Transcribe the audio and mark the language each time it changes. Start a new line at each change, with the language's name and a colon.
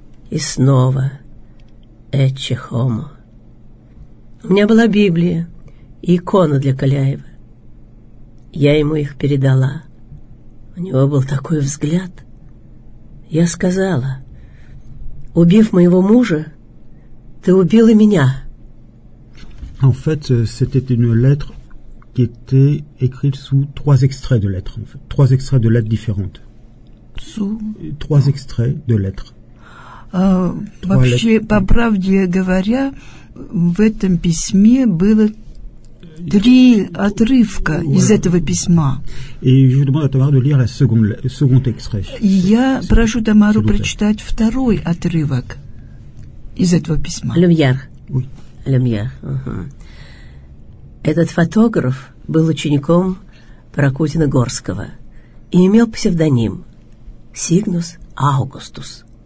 Russian: И снова эчхом. У меня была Библия и икона для Каляева. Я ему их передала. У него был такой взгляд. Я сказала: «Убив моего мужа, ты убил и меня».
French: En fait, c'était une lettre qui était écrite sous trois extraits de lettres, en fait. Trois extraits de lettres différentes. Trois extraits de lettres.
Russian: Вообще,
French: lettres.
Russian: По правде говоря, в этом письме было три отрывка из этого письма.
French: Et je demande à Tamara de lire le second extrait.
Russian: Я прошу Тамару прочитать второй отрывок из этого письма. Люмьер. Люмьер. Этот фотограф был учеником Прокутина-Горского и имел псевдоним Сигнус Августус.